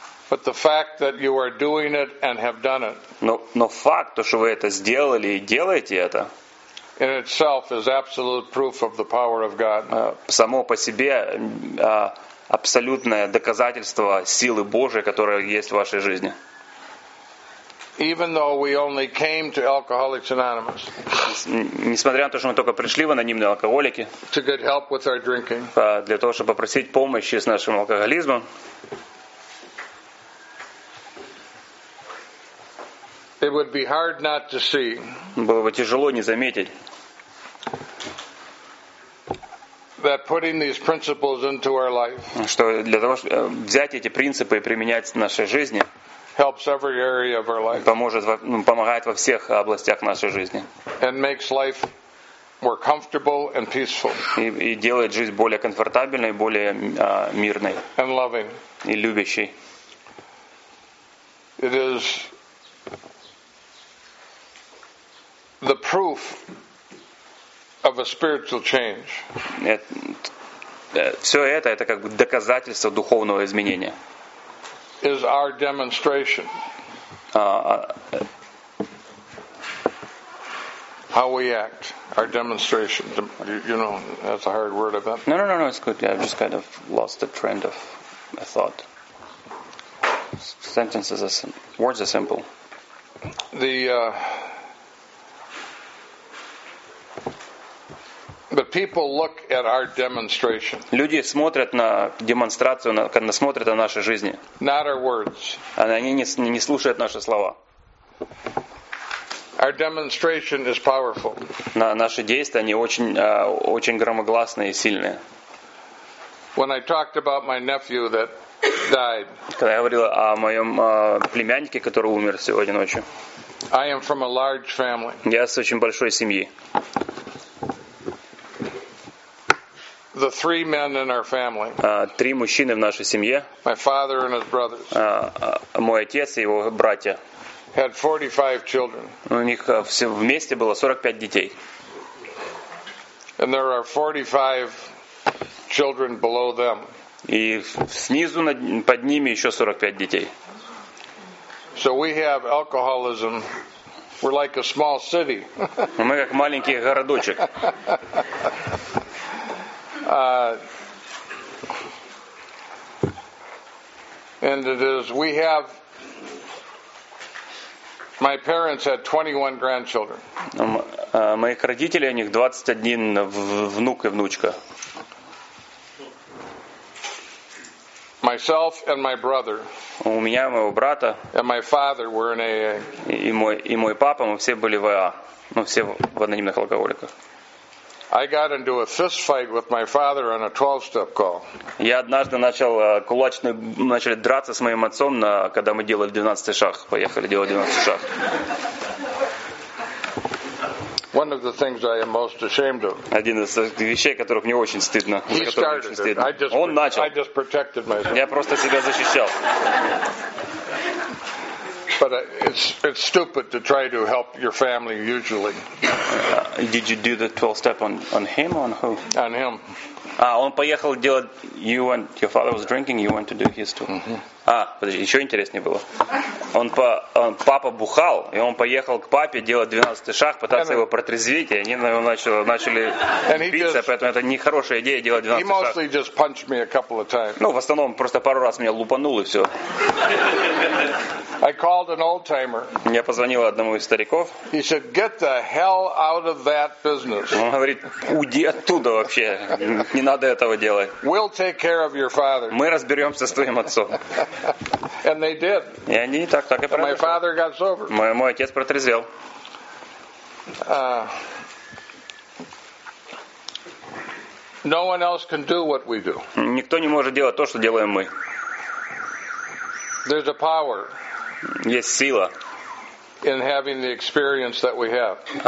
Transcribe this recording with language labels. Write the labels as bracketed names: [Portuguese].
[English] But the fact that you are doing it and have done it. [Russian] Но факт, то что вы это сделали и делаете это. [English] In itself is absolute proof of the power of God. [Russian] Само по себе абсолютное доказательство силы Божьей, которая есть в вашей жизни. [English] Even though we only came to Alcoholics Anonymous. [Russian] Несмотря на то, что мы только пришли в анонимные алкоголики. [English] To get help with our drinking. [Russian] Для того, чтобы попросить помощи с нашим алкоголизмом. [English] It would be hard not to see. [Russian] Было бы тяжело не заметить. [English] That putting these principles into our life. [Russian] Что для того, чтобы взять эти принципы и применять в нашей жизни. [English] Helps every area of our life. [Russian] Помогает во всех областях нашей жизни. [English] And makes life more comfortable and peaceful. [Russian] И делает жизнь более комфортабельной, более мирной. [English] And loving. [Russian] И любящей. [English] It is the proof of a spiritual change. [Russian] Все это как бы доказательство духовного изменения. [English] Is our demonstration how we act, our demonstration. You know, that's a hard word, I bet. No, it's good. Yeah, I just kind of lost the trend of a thought. Sentences, words are simple. But people look at our demonstration. [Russian] Люди смотрят на демонстрацию, на смотрят на наши жизни. [English] Not our words. [Russian] Они не слушают наши слова. [English] Our demonstration is powerful. [Russian] Наши действия, они очень громогласные и сильные. [English] When I talked about my nephew that died. [Russian] Когда я говорил о моем племяннике, который умер сегодня ночью. [English] I am from a large family. [Russian] Я с очень большой семьи. [English] The three men in our family. [Russian] Три мужчины в нашей семье. [English] My father and his brothers. [Russian] Мой отец и его братья. [English] Had 45 children. [Russian] У них все вместе было 45 детей. [English] And there are 45 children below them. [Russian] И снизу под ними еще 45 детей. [English] So we have alcoholism. We're like a small city. [Russian] Мы как маленький городочек. [English] And it is we have my parents had 21 grandchildren. [Russian] Моих родителей, у них 21 внук и внучка. [English] Myself and my brother. [Russian] У меня и моего брата. [English] And my father were in AA. [Russian] И мой папа, мы все были в АА. Мы все в анонимных алкоголиках. [English] I got into a fist fight with my father on a 12-step call. [Russian] Я однажды начали драться с моим отцом, когда мы делали 12-й шаг, поехали делать 12-й шаг. [English] One of the things I am most ashamed of. [Russian] Один из вещей, которых мне очень стыдно. Он начал. [English] I just protected myself. [Russian] Я просто себя защищал. [English] But it's stupid to try to help your family usually. Did you do the 12 step on him or on who? On him. [Russian] Он поехал делать. [English] You went. Your father was drinking. You went to do his too. [Russian] Подожди, еще интереснее было. Папа бухал, и он поехал к папе делать 12-й шаг, пытаться его протрезвить, и они на него начали биться, поэтому это нехорошая идея делать 12-й шаг. Ну, в основном, просто пару раз меня лупанул, и все. [English] I called an old timer. [Russian] Я позвонил одному из стариков. [English] He said, "Get the hell out of that business." [Russian] Он говорит, уйди оттуда вообще, не надо этого делать. [English] We'll take care of your father. [Russian] Мы разберемся с твоим отцом. [English] And they did. [Russian] И они так и произошло. [English] My father got sober. [Russian] Мой отец протрезвел. [English] No one else can do what we do. [Russian] Никто не может делать то, что делаем мы. [English] There's a power. [Russian] Есть сила. [English] In having the experience that we have.